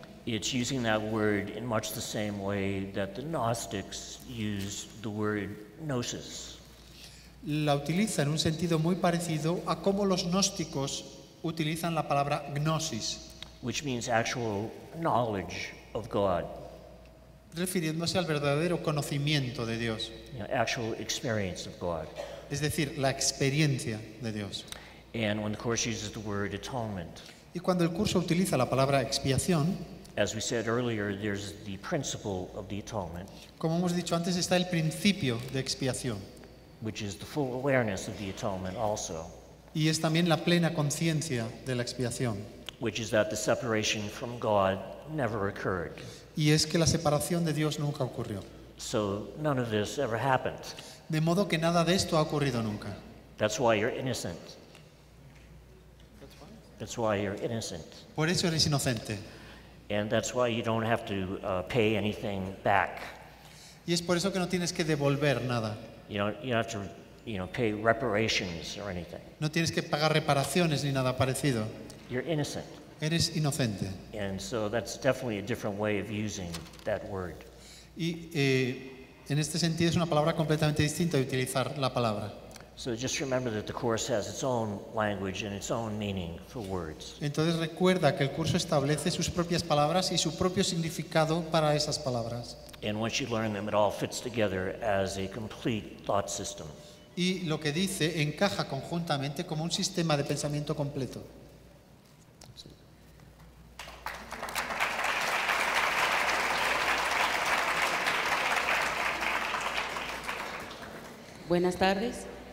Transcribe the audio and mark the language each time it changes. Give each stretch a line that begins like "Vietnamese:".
English: it's using that word in much the same way that the Gnostics use the word gnosis.
Spanish: La utiliza en un sentido muy parecido a cómo los gnósticos utilizan la palabra gnosis,
English: which means actual knowledge of God,
Spanish: refiriéndose al verdadero conocimiento de Dios,
English: you know, actual experience of God,
Spanish: es decir, la experiencia de Dios.
English: And when the course uses the word atonement,
Spanish: y cuando el curso utiliza la palabra expiación,
English: as we said earlier, there's the principle of the atonement,
Spanish: como hemos dicho antes, está el principio de expiación,
English: which is the full awareness of the atonement also.
Spanish: Y es también la plena conciencia de la expiación.
English: Which is that the separation from God never occurred.
Spanish: Y es que la separación de Dios nunca ocurrió.
English: So none of this ever happened.
Spanish: De modo que nada de esto ha ocurrido nunca.
English: That's why you're innocent. That's why you're innocent.
Spanish: Por eso eres inocente.
English: And that's why you don't have to pay anything back.
Spanish: Y es por eso que no tienes que devolver nada.
English: You don't have to pay reparations or anything.
Spanish: No tienes que pagar reparaciones ni nada parecido.
English: You're innocent.
Spanish: Eres inocente.
English: And so that's definitely a different way of using that word.
Spanish: Y En este sentido es una palabra completamente distinta de utilizar la palabra.
English: So just remember that the course has its own language and its own meaning for words.
Spanish: Entonces recuerda que el curso establece sus propias palabras y su propio significado para esas palabras.
English: And once you learn them, it all fits together as a complete thought system.
Spanish: Y lo que dice encaja conjuntamente como un sistema de pensamiento completo. Buenas tardes.